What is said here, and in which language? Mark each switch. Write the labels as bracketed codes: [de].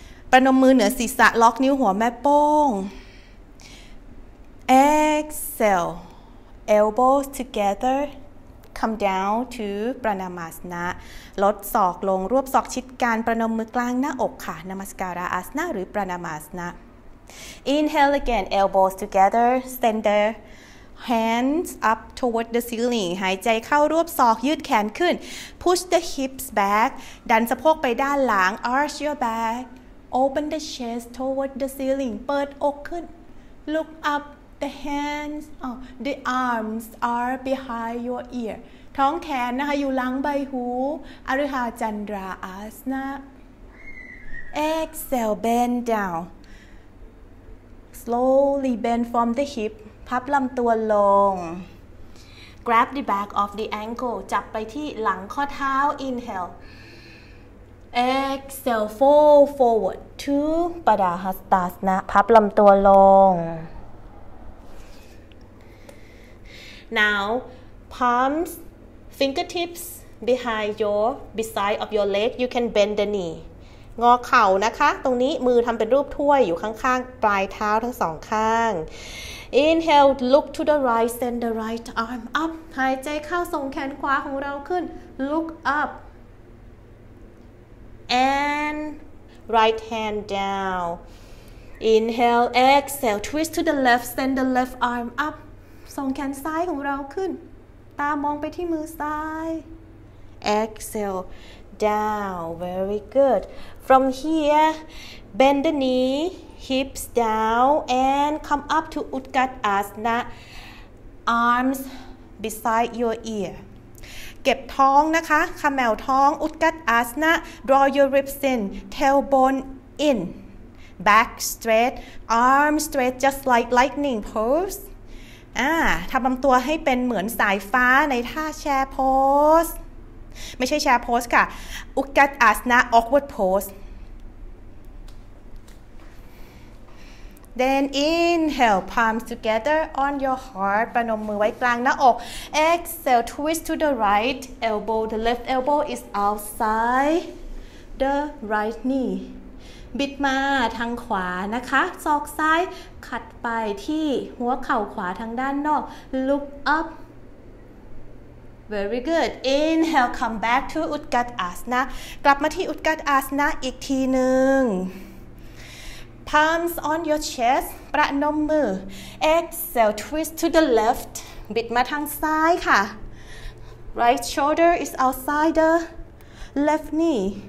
[th] ประนมมือเหนือศีรษะล็อกนิ้วหัวแม่โป้ง [en] Exhale. Elbows together, come down to Pranamasana. [th] ลดศอกลงรวบศอกชิดกันประนมมือกลางหน้าอกค่ะ Namaskara Asana หรือ Pranamasana. [en] Inhale again, elbows together, send the hands up toward the ceiling. [th] หายใจเข้ารวบศอกยืดแขนขึ้น [en] Push the hips back, [th] ดันสะโพกไปด้านหลัง [en] Arch your back, open the chest toward the ceiling. [th] เปิดอกขึ้น [en] Look up. The hands, oh, the arms are behind your ear. [th] ท้องแขนนะคะอยู่หลังใบหูอรหาจันดราอาสนะ [en] Exhale, bend down. Slowly bend from the hip. [th] พับลำตัวลง [en] Grab the back of the ankle. [th] จับไปที่หลังข้อเท้า [en] Inhale. Exhale, fold forward to Padmasana. [th] พับลำตัวลง [en] Now, palms, fingertips behind your beside of your leg. You can bend the knee. [th] งอเข่านะคะตรงนี้มือทำเป็นรูปถ้วยอยู่ข้างๆปลายเท้าทั้งสองข้าง [en] Inhale, look to the right, send the right arm up. [th] หายใจเข้าส่งแขนขวาของเราขึ้น [en] Look up and right hand down. Inhale, exhale, twist to the left, send the left arm up. [th] ส่งแขนซ้ายของเราขึ้นตามองไปที่มือซ้าย [en] Exhale down very good from here bend the knee hips down and come up to Utkatasana arms beside your ear เก [th] เก็บท้องนะคะคะแมวท้องอุดกัดอาสนะ [en] draw your ribs in tailbone in back straight arm straight just like lightning pose [th] ทำตัวให้เป็นเหมือนสายฟ้าในท่าแชร์โพสไม่ใช่แชร์โพสค่ะอุดกัดอาสนะ [en] awkward poseThen inhale, palms together on your heart. [th] ประนมมือไว้กลางหน้าอก. [en] Exhale, twist to the right elbow. The left elbow is outside the right knee. [th] บิดมาทางขวานะคะ. ซอกซ้ายขัดไปที่หัวเข่าขวาทางด้านนอก. [en] Look up. Very good. Inhale, come back to Utkatasana. [th] กลับมาที่ Utkatasana อีกทีหนึ่ง [en] Palms on your chest, [th] ประนมมือ [en] Exhale, twist to the left, [th] บิดมาทางซ้ายค่ะ [en] Right shoulder is outside the left knee.